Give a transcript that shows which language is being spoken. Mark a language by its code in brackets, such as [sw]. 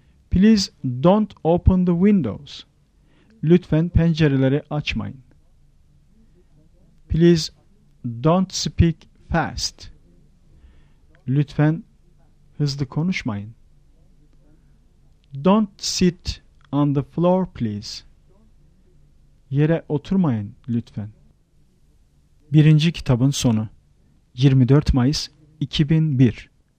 [en] Please don't open the windows. [tr] Lütfen pencereleri açmayın. [en] Please don't speak fast. [tr] Lütfen hızlı konuşmayın. [en] Don't sit on the floor please. [tr] Yere oturmayın lütfen. Birinci kitabın sonu. 24 Mayıs 2001.